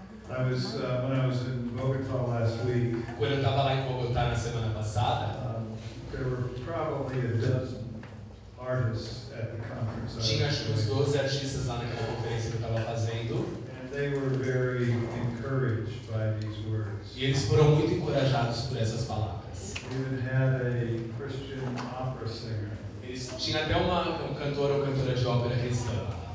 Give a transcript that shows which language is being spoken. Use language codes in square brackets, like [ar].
[en] I was when I was in Bogota last week. [pt] Quando eu estava lá em Bogotá na semana passada, [en] there were probably a dozen artists at the conference. [pt] Tinha uns 12 artistas lá naquela conferência que eu estava fazendo. [en] And they were very encouraged by these words. [pt] E eles foram muito encorajados por essas palavras. [en] We even had a Christian opera singer. [pt] Tinha até um cantor ou cantora de ópera cristã.